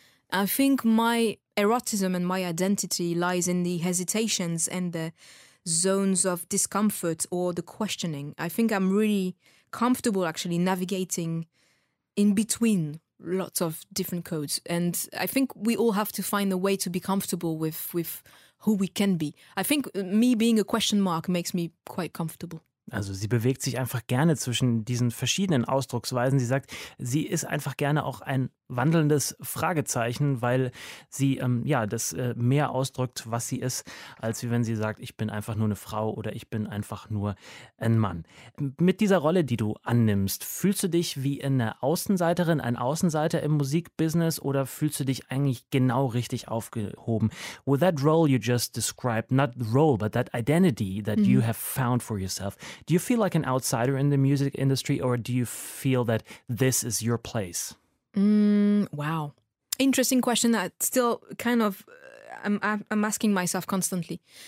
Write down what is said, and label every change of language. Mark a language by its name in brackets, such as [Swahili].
[English] I think my erotism and my identity lies in the hesitations and the zones of discomfort or the questioning. I think I'm really comfortable actually navigating in between lots of different codes. And I think we all have to find a way to be comfortable with who we can be. I think me being a question mark makes me quite comfortable. [German] Also sie bewegt sich einfach gerne zwischen diesen verschiedenen Ausdrucksweisen. Sie sagt, sie ist einfach gerne auch ein wandelndes Fragezeichen, weil sie mehr ausdrückt, was sie ist, als wie wenn sie sagt, ich bin einfach nur eine Frau oder ich bin einfach nur ein Mann. Mit dieser Rolle, die du annimmst, fühlst du dich wie eine Außenseiterin, ein Außenseiter im Musikbusiness oder fühlst du dich eigentlich genau richtig aufgehoben? [English] With that role you just described, not role, but that identity that you have found for yourself, do you feel like an outsider in the music industry or do you feel that this is your place? Wow. Interesting question that still kind of I'm asking myself constantly.